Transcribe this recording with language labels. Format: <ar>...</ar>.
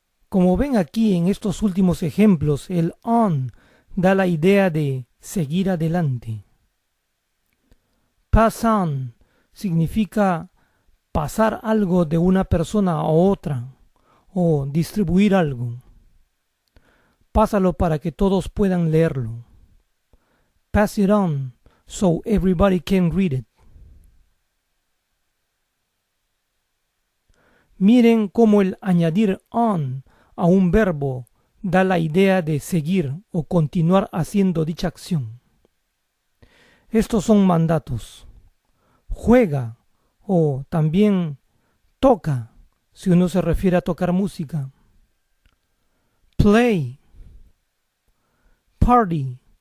<es>Como ven aquí en estos últimos ejemplos, el on da la idea de seguir adelante. pass on significa pasar algo de una persona a otra o distribuir algo. Pásalo para que todos puedan leerlo.</es> <en>Pass it on so everybody can read it.</en> <es>Miren cómo el añadir on a un verbo da la idea de seguir o continuar haciendo dicha acción. Estos son mandatos. Juega o también toca, si uno se refiere a tocar música. Play. Party.</es>